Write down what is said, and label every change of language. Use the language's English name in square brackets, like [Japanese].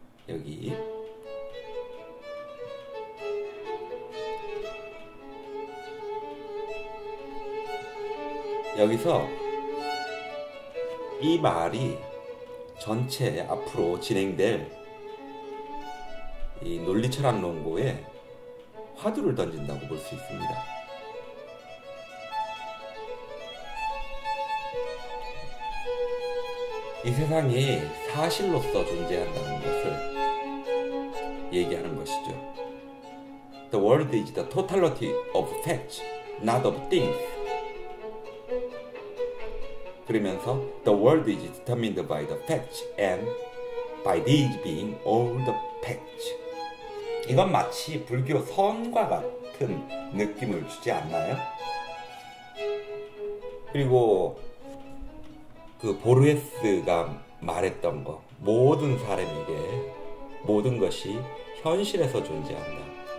[Korean] 여기 여기서 이 말이 전체 앞으로 진행될 이 논리철학 논고에 화두를 던진다고 볼 수 있습니다. 이 세상이 사실로서 존재한다는 것을 얘기하는 것이죠. [English] The world is the totality of facts, not of things. [Korean] 그러면서 [English] The world is determined by the facts and by these being all the facts. [Korean] 이건 마치 불교 선과 같은 느낌을 주지 않나요? 그리고 그 보르헤스가 말했던 거, 모든 사람에게 모든 것이 현실에서 존재한다.